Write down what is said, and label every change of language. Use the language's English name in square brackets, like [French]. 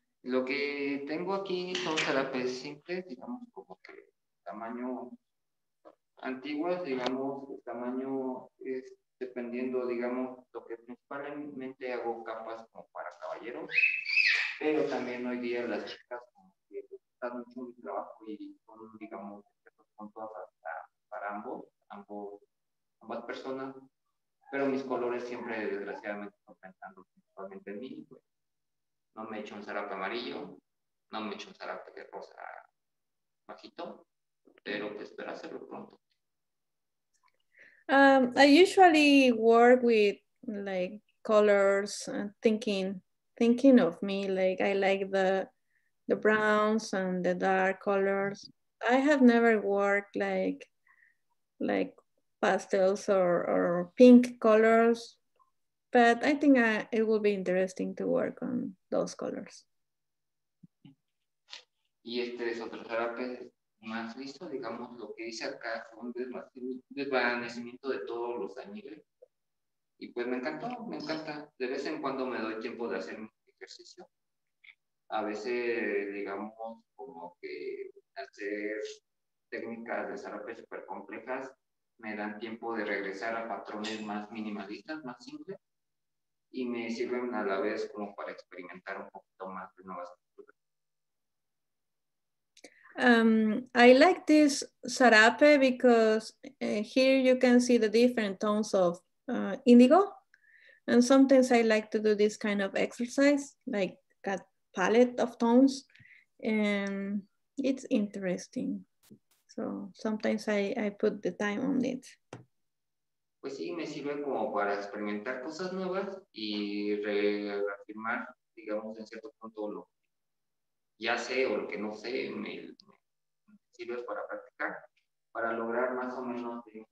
[Spanish] Lo que tengo aquí son serapes simples, digamos, como que tamaño antiguas, digamos, el tamaño es dependiendo, digamos, lo que principalmente hago capas como para caballeros, pero también hoy día las chicas como que gustan mucho mi trabajo y son, digamos, son todas para ambas personas, pero mis colores siempre, desgraciadamente, están pensando principalmente en mí, pues. No me he hecho un sarape amarillo, no me he hecho un sarape de rosa bajito, pero pues espero hacerlo pronto. [English] I usually work with like colors, thinking of me, like I like the browns and the dark colors. I have never worked like pastels or pink colors. But I think it will be interesting to work on those colors. [Spanish] Y este es otro terapia más listo, digamos, lo que dice acá, un desvanecimiento de todos los añiles. Y pues me encanta. De vez en cuando me doy tiempo de hacer ejercicio. A veces, digamos, como que hacer técnicas de terapia súper complejas me dan tiempo de regresar a patrones más minimalistas, más simples. Y me sirven a la vez como para experimentar un poquito más de nuevas culturas. [English] I like this sarape because here you can see the different tones of indigo. And sometimes I like to do this kind of exercise, like a palette of tones. And it's interesting. So sometimes I put the time on it. [Spanish] Pues sí, me sirve como para experimentar cosas nuevas y reafirmar, digamos, en cierto punto lo que ya sé o lo que no sé, me sirve para practicar, para lograr más o menos.